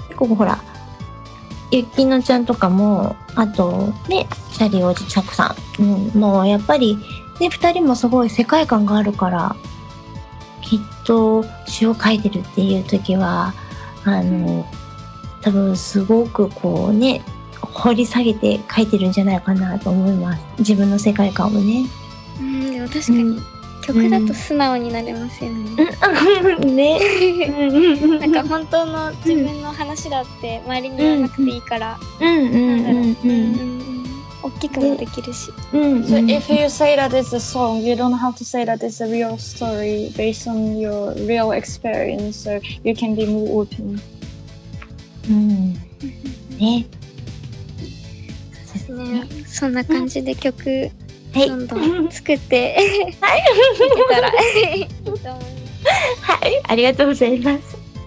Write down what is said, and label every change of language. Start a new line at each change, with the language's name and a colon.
Japanese: ここほら、ゆきのちゃんとかも、あとね、チャリおじちゃくさん、もうやっぱりね、2人もすごい世界観があるから、きっと詩を書いてるっていう時は、あの、多分すごくこうね、掘り下げて書いてるんじゃないかなと思います、自分の世界観をね。でも確かに曲だと素直になれますよね、ね。なんか本当の自分の話だって周りに言わなくていいから、大きくもできるし。
English: So if you say that it's a song, you don't have to say that it's a real story based on your real experience, so you can be more open。
Japanese: ね、ね、そんな感じで曲どんどん作って、いけたらいいと思います。はい、ありがとうございます。